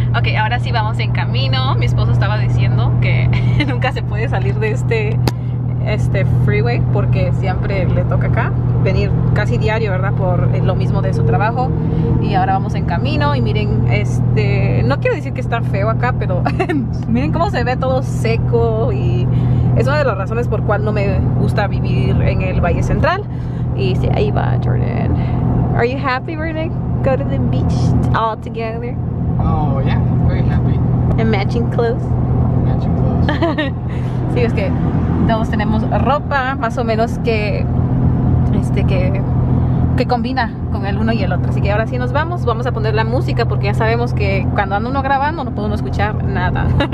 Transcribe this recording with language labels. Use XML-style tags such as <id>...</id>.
<es>Ok, ahora sí vamos en camino. Mi esposo estaba diciendo que nunca se puede salir de este freeway porque siempre le toca acá venir casi diario, ¿verdad? Por lo mismo de su trabajo. Y ahora vamos en camino y miren, no quiero decir que está feo acá, pero miren cómo se ve todo seco, y es una de las razones por cual no me gusta vivir en el Valle Central. Y sí, ahí va Jordan.</es> <en>Are you happy we're going to go to the beach all together? Oh, yeah, very happy. And matching clothes? Yeah.</en> <es>Sí, es que todos tenemos ropa más o menos que que combina con el uno y el otro. Así que ahora sí nos vamos. Vamos a poner la música porque ya sabemos que cuando anda uno grabando no puede uno escuchar nada.</es>